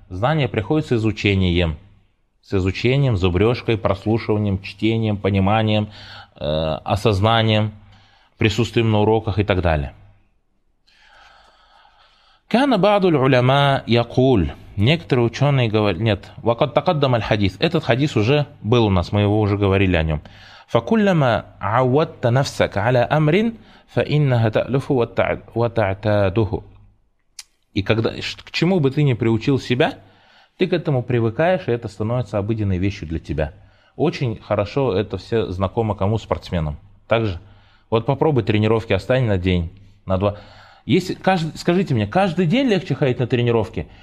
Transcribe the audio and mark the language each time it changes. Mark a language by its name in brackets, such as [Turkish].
[Russian] Знание приходит с изучением. С изучением, зубрежкой, прослушиванием, чтением, пониманием, осознанием, присутствием на уроках и так далее. [Arabic] كان بعض العلماء يقول, [Russian] некоторые ученые говорят, нет, [Arabic] وقد تقدم الحديث, [Russian] этот хадис уже был у нас, мы его уже говорили о нем. [Arabic] فكلما عودت نفسك على أمر فإنها تألف وتعتاده. [Russian] И когда, к чему бы ты ни приучил себя, ты к этому привыкаешь, и это становится обыденной вещью для тебя. Очень хорошо это все знакомо кому? Спортсменам. Также, вот попробуй тренировки оставь на день, на два. Если, скажите мне, каждый день легче ходить на тренировки?